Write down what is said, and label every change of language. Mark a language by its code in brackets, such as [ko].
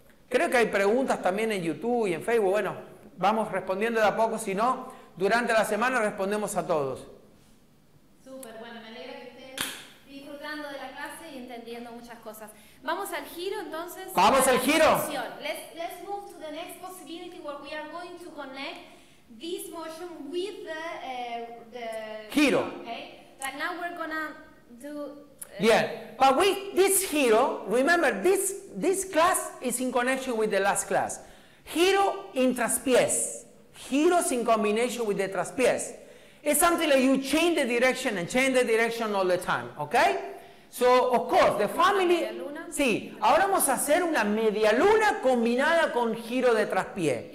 [es] Creo que hay preguntas también en YouTube y en Facebook. Bueno, vamos respondiendo de a poco. Si no, durante la semana respondemos a todos. Súper, bueno, me alegra que estén disfrutando de la clase y entendiendo muchas cosas. Vamos al giro entonces. Vamos al giro. [en] Let's move to the next possibility where we are going to connect this motion with the giro. Okay. But now we're gonna do. But we this giro. Remember this class is in connection with the last class. Giro in traspiés. Giros in combination with the traspiés. It's something like you change the direction and change the direction all the time. Okay. So of course the family. [es] Sí, ahora vamos a hacer una media luna combinada con giro de traspié.